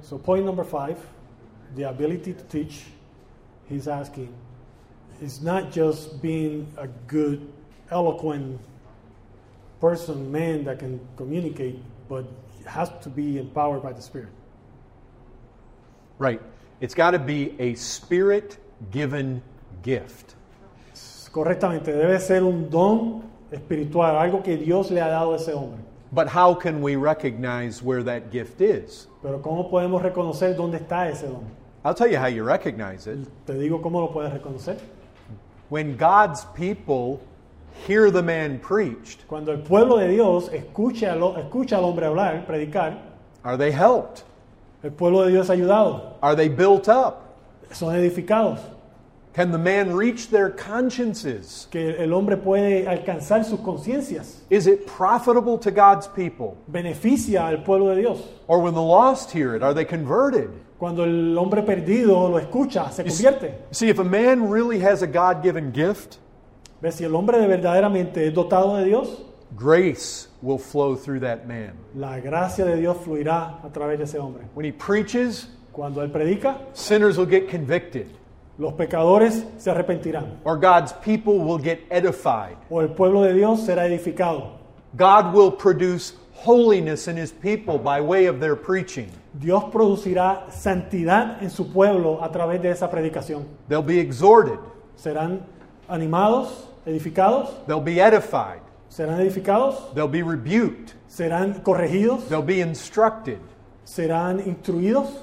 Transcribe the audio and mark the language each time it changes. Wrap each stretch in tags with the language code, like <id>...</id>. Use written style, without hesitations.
<en>So point number 5, the ability to teach, he's asking, is not just being a good, eloquent person, man that can communicate, but has to be empowered by the Spirit. Right. It's got to be a Spirit-given gift.</en> <es>Correctamente. Debe ser un don espiritual, algo que Dios le ha dado a ese hombre.</es> <en>But how can we recognize where that gift is?</en> <es>Pero ¿cómo podemos reconocer dónde está ese don?</es> <en>I'll tell you how you recognize it.</en> <es>Te digo cómo lo puedes reconocer.</es> <en>When God's people hear the man preached,</en> <es>cuando el pueblo de Dios escucha al hombre hablar, predicar,</es> <en>are they helped?</en> <es>El pueblo de Dios es ayudado.</es> <en>Are they built up?</en> <es>Son edificados.</es> <en>Can the man reach their consciences?</en> <es>Que el hombre puede alcanzar sus conciencias.</es> <en>Is it profitable to God's people?</en> <es>Beneficia al pueblo de Dios.</es> <en>Or when the lost hear it, are they converted?</en> <es>Cuando el hombre perdido lo escucha, se convierte.</es> <en>See, if a man really has a God-given gift,</en> <es>¿ves? Si el hombre verdaderamente es dotado de Dios,</es> <en>grace will flow through that man.</en> <es>La gracia de Dios fluirá a través de ese hombre.</es> <en>When he preaches,</en> <es>cuando él predica,</es> <en>sinners will get convicted.</en> <es>Los pecadores se arrepentirán.</es> <en>Or God's people will get edified.</en> <es>O el pueblo de Dios será edificado.</es> <en>God will produce holiness in his people by way of their preaching.</en> <es>Dios producirá santidad en su pueblo a través de esa predicación.</es> <en>They'll be exhorted.</en> <es>Serán animados, edificados.</es> <en>They'll be edified.</en> <es>Serán edificados.</es> <en>They'll be rebuked.</en> <es>Serán corregidos.</es> <en>They'll be instructed.</en> <es>Serán instruidos.</es>